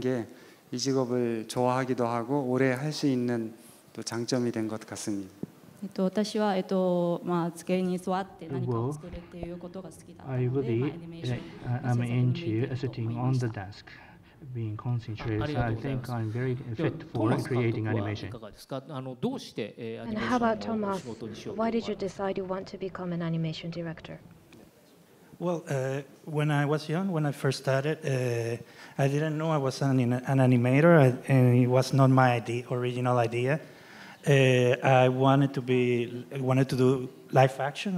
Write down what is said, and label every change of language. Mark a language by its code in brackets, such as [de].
[ko] 게 이 직업을 좋아하기도 하고 오래 할 수 있는 또 장점이 된 것 같습니다. [ja] 私は、まあ、机に座って何かを作るっていうことが好きだったので、 [en] well, I'm into sitting on the desk, being concentrated. So I think I'm very fit for creating animation. [ja] どうしてアニメーションの仕事にしようと思ったんですか? [en] Why did you decide you want to become an animation director? Well, when I was young, when I first started, I didn't know I was an animator, and it was not my idea, original idea. I wanted to do live action.